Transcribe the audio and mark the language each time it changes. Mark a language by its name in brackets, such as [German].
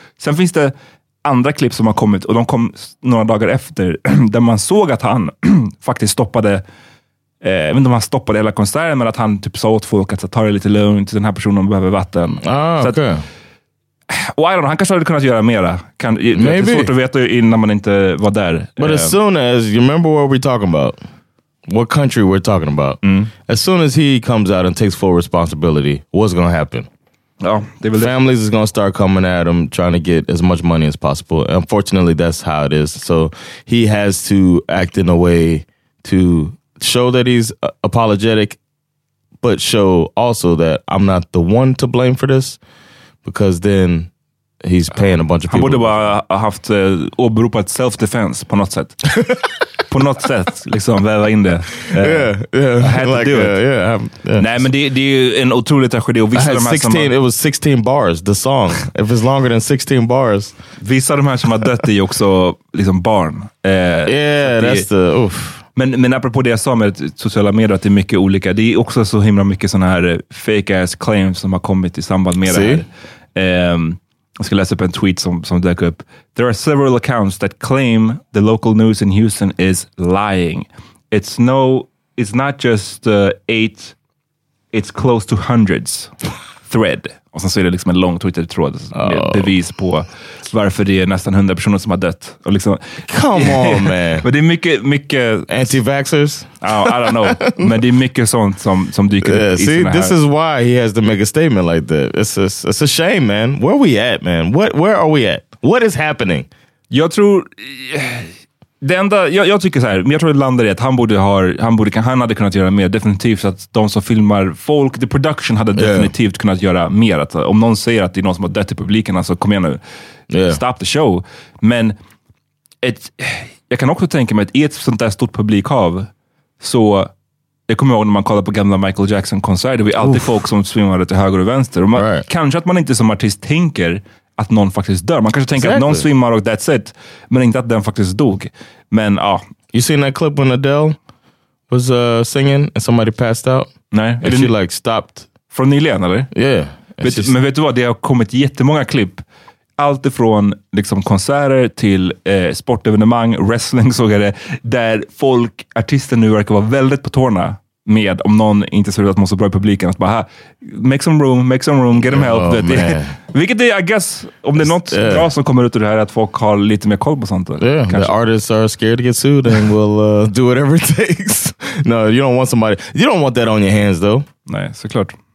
[Swedish] Sen finns det andra klipp som har kommit, och de kom några dagar efter, där man såg att han faktiskt stoppade, jag vet inte om han stoppade hela konserten, men att han typ sa åt folk att ta det lite lugnt, den här personen behöver vatten. Ah, okej. Okay. Och [English] I don't know, [Swedish] han kanske hade kunnat göra mera. [English] Maybe. [Swedish] Det är svårt att veta innan man inte var där. [English] But as soon as, you remember what we're talking about? What country we're talking about? Mm. As soon as he comes out and takes full responsibility, what's gonna happen? Oh, they believe. Families is going to start coming at him, trying to get as much money as possible. Unfortunately, that's how it is. So he has to act in a way to show that he's apologetic, but show also that I'm not the one to blame for this, because then he's paying a bunch of people. [Swedish] Han borde bara haft åberopat self-defense på något sätt. På något sätt, liksom, väva in det. [English] Yeah. [Swedish] Nej, men det är ju en otrolig tragedi. Och vissa de här 16, som [English] har, it was 16 bars, the song. If it's longer than 16 bars. [Swedish] Vissa av de här som har dött är ju också liksom barn. [English] Yeah, that's the, oof. [Swedish] Men apropå det jag sa med sociala medier, att det är mycket olika. Det är också så himla mycket såna här [English] fake-ass claims [Swedish] som har kommit i samband med det här. Jag ska läsa upp en tweet som dök upp. [English] There are several accounts that claim the local news in Houston is lying. It's no, it's not just eight, it's close to hundreds. Thread. [Swedish] Och sen så är det liksom en lång Twitter-tråd med bevis på varför det är nästan 100 personer som har dött. Och liksom, [English] come on, man. [Swedish] Men det är mycket [English] anti-vaxxers? I don't know. [Swedish] Men det är mycket sånt som dyker upp. [English] See, this is why he has to make a statement like that. It's a shame, man. Where are we at, man? Where are we at? What is happening? [Swedish] Jag tror, det enda, jag tycker så här, men jag tror det landar i att han hade kunnat göra mer, definitivt, att de som filmar folk, [English] the production [Swedish] hade definitivt kunnat göra mer. Att om någon säger att det är någon som har dött i publiken, alltså kom igen nu, [English] stop the show. [Swedish] Men jag kan också tänka mig att i ett sånt där stort publikhav, så jag kommer ihåg när man kollar på gamla Michael Jackson-konserter, det var alltid folk som svimmade till höger och vänster. Och man, kanske att man inte som artist tänker att någon faktiskt dör. Man kanske tänker att någon svimmar och [English] that's it. [Swedish] Men inte att den faktiskt dog. Men ja. [English] You seen that clip when Adele was singing and somebody passed out? [Swedish] Nej. [English] And she like stopped. [Swedish] Från nyligen eller? [English] Yeah. [Swedish] Men vet du vad? Det har kommit jättemånga klipp. Allt ifrån liksom konserter till sportevenemang, wrestling såg jag det. Där folk, artister nu verkar vara väldigt på tårna. Med om någon inte ser ut att må så bra i publiken, att bara [English] make some room, get them help. Oh, [Swedish] vilket det är, [English] I guess, [Swedish] om det är något bra som kommer ut ur det här, att folk har lite mer koll på sånt. [English] Yeah, the artists are scared to get sued and will do whatever it takes. No, you don't want somebody, you don't want that on your hands though. [Swedish] Nej, såklart.